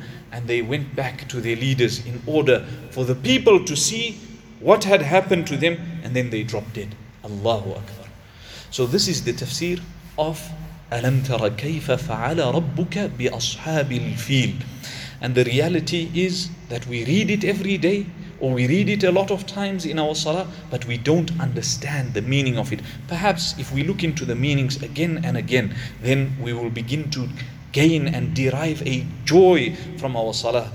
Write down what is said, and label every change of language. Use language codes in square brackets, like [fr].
[en] And they went back to their leaders in order for the people to see what had happened to them, and then they dropped dead. Allahu Akbar. So this is the tafsir of [ar] أَلَمْ تَرَ كَيْفَ فَعَلَ رَبُّكَ بِأَصْحَابِ الْفِيلِ. [en] And the reality is that we read it every day, or we read it a lot of times in our salah, but we don't understand the meaning of it. Perhaps if we look into the meanings again and again, then we will begin to gain and derive a joy from our salah.